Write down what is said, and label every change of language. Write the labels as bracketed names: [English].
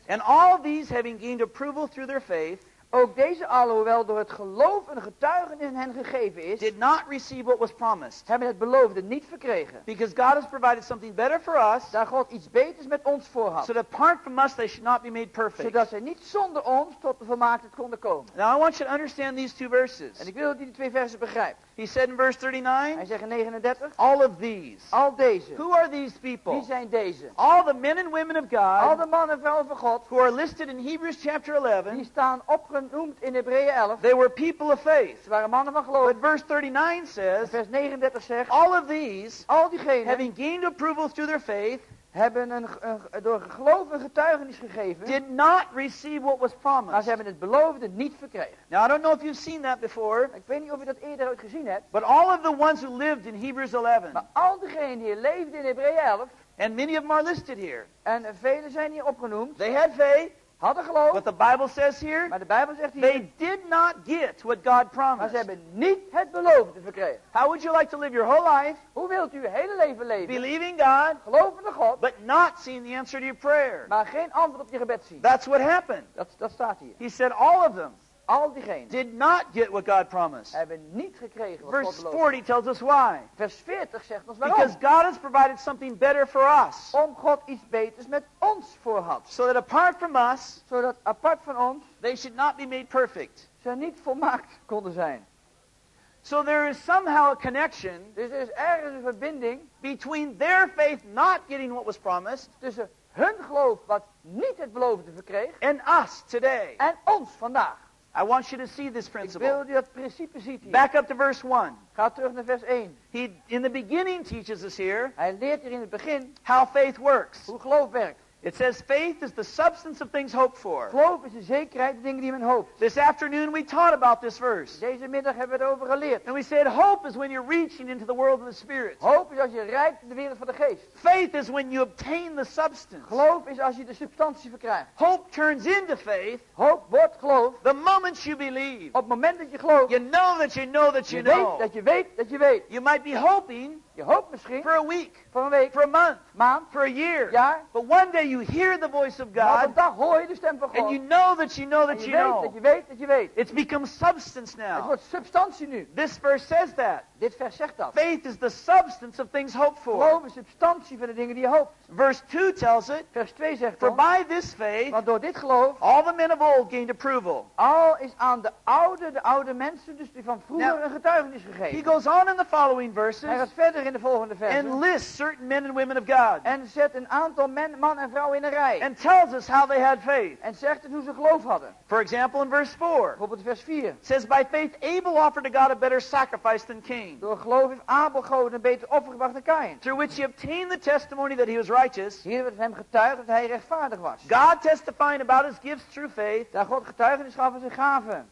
[English] and all these having gained approval through their faith, [Dutch] ook deze allen, hoewel door het geloof een getuigenis in hen gegeven is, [English] did not receive what was promised. [Dutch] Hebben het beloofde niet verkregen. [English] Because God has provided something better for us. [Dutch] Daar God iets beters met ons voor had. [English] So that apart from us they should not be made perfect. [Dutch] Zodat zij niet zonder ons tot de volmaaktheid konden komen. [English] Now I want you to understand these two verses. [Dutch] En ik wil dat u die twee versen begrijpt. [English] He said in verse 39. [Dutch] Hij zegt in 39. [English] All of these. [Dutch] Al deze. [English] Who are these people? [Dutch] Wie zijn deze? [English] All the men and women of God. [Dutch] Al de mannen en vrouwen van God. [English] Who are listed in Hebrews chapter 11. [Dutch] Die staan opgenoemd in Hebreeën 11. [English] They were people of faith. [Dutch] Ze waren mannen van geloof. [English] But verse 39 says. [Dutch] Vers 39 zegt. [English] All of these. [Dutch] Al diegenen. [English] Having gained approval through their faith. [Dutch] Hebben een door geloof een getuigenis gegeven. [English] Did not receive what was promised. [Dutch] Maar ze hebben het beloofde niet verkregen. [English] Now I don't know if you've seen that before. [Dutch] Ik weet niet of je dat eerder ooit gezien hebt. [English] But all of the ones who lived in Hebrews 11. [Dutch] Maar al diegenen die leefden in Hebreeën 11. [English] And many of them are listed here. [Dutch] En velen zijn hier opgenoemd. [English] They had faith. [Dutch] Hadden geloof. [English] But the Bible says here. [Dutch] Maar de Bijbel zegt hier. [English] They did not get what God promised. [Dutch] Maar ze hebben niet het beloofde verkregen. [English] How would you like to live your whole life? [Dutch] Hoe wilt u uw hele leven leven? [English] Believing God. [Dutch] Gelovende God. [English] But not seeing the answer to your prayer. [Dutch] Maar geen antwoord op je gebed zien. [English] That's what happened. [Dutch] Dat staat hier. [English] He said all of them. [Dutch] Al diegenen. [English] Did not get what God promised. [Dutch] Hebben niet gekregen wat [English] verse [Dutch] God beloofde. [English] Verse 40 tells us why. [Dutch] Vers 40 zegt ons waarom. [English] Because God has provided something better for us. [Dutch] Om God iets beters met ons voor had. [English] So that apart from us. [Dutch] Zodat apart van ons. [English] They should not be made perfect. [Dutch] Ze niet volmaakt konden zijn. [English] So there is somehow a connection. [Dutch] Dus er is ergens een verbinding. [English] Between their faith not getting what was promised. [Dutch] Tussen hun geloof wat niet het beloofde verkreeg. [English] And us today. [Dutch] En ons vandaag. [English] I want you to see this principle. [Dutch] Ik wil dat principe ziet hier. [English] Back up to verse 1. [Dutch] Ga terug naar vers 1. [English] He in the beginning teaches us here. [Dutch] Hij leert hier in het begin [English] how faith works. [Dutch] Hoe geloof werkt. [English] It says faith is the substance of things hoped for. [Dutch] Geloof is de zekerheid van dingen die men hoopt. [English] This afternoon we taught about this verse. [Dutch] Deze middag hebben we het over geleerd. [English] And we said hope is when you're reaching into the world of the spirit. [Dutch] Hoop is als je reikt in de wereld van de geest. [English] Faith is when you obtain the substance. [Dutch] Geloof is als je de substantie verkrijgt. [English] Hope turns into faith. [Dutch] Hoop wordt geloof. [English] The moment you believe. [Dutch] Op het moment dat je gelooft. [English] You know that you know that you know. [Dutch] Je weet dat je weet dat je weet. [English] You might be hoping. [Dutch] Je hoopt misschien. [English] For a week. [Dutch] Voor een week. [English] For a month. [Dutch] Maand. [English] For a year. [Dutch] Jaar. [English] But one day you hear the voice of God. [Dutch] Maar op een dag hoor je de stem van God. [English] And you know that you know that you know. [Dutch] En je weet dat je weet dat je weet. [English] It's become substance now. [Dutch] Het wordt substantie nu. [English] This verse says that. [Dutch] Dit vers zegt dat. [English] Faith is the substance of things hoped for. [Dutch] Geloof is de substantie van de dingen die je hoopt. [English] Verse 2 tells it. [Dutch] Vers 2 zegt [English] for by this faith, [Dutch] want door dit geloof, [English] all the men of old gained approval. [Dutch] Al is aan de oude mensen, dus die van vroeger, [English] now, [Dutch] een getuigenis gegeven. [English] He goes on in the following verses. [Dutch] Hij gaat verder in de volgende versen. [English] And lists certain men and women of God. [Dutch] En zet een aantal man en vrouw in een rij. [English] And tells us how they had faith. [Dutch] En zegt het hoe ze geloof hadden. [English] For example, in verse 4. [Dutch] Bijvoorbeeld vers 4. [English] Says by faith Abel offered to God a better sacrifice than Cain. [Dutch] Door geloof heeft Abel God een beter offer gebracht dan Cain. [English] Through which he obtained the testimony that he was righteous. [Dutch] Hier werd hem getuigd dat hij rechtvaardig was. [English] God testifying about his gifts through faith. [Dutch] Dat God getuigenis gaf van zijn gaven.